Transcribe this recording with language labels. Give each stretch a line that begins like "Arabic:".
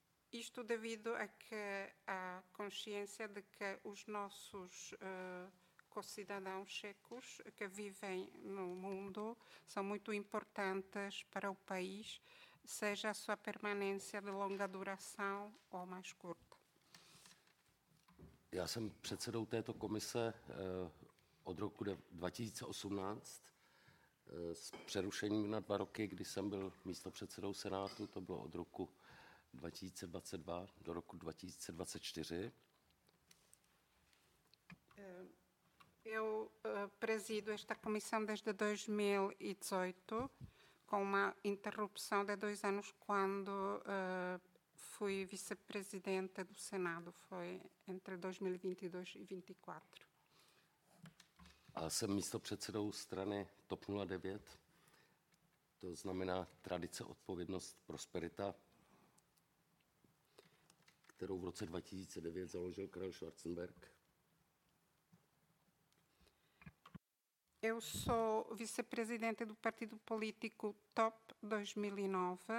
Portuguese: Isto devido a que a consciência de que os nossos cidadãos checos que vivem no mundo são muito importantes para o país, seja a sua permanência de longa duração ou mais curta.
Czech: Já jsem předsedou této komise od roku 2018 s přerušením na dva roky, kdy jsem byl místopředsedou Senátu, to bylo od roku 2022 do roku 2024.
Portuguese: Eu presido esta comissão desde 2018, com uma interrupção de 2 anos quando fui vice-presidente do Senado. Foi entre 2022 e 2024.
Czech: A jsem místopředsedou strany TOP 09. To znamená tradice, odpovědnost, prosperita, kterou v roce 2009 založil Karel Schwarzenberg.
Portuguese: Eu sou vice-presidente do partido político TOP 2009.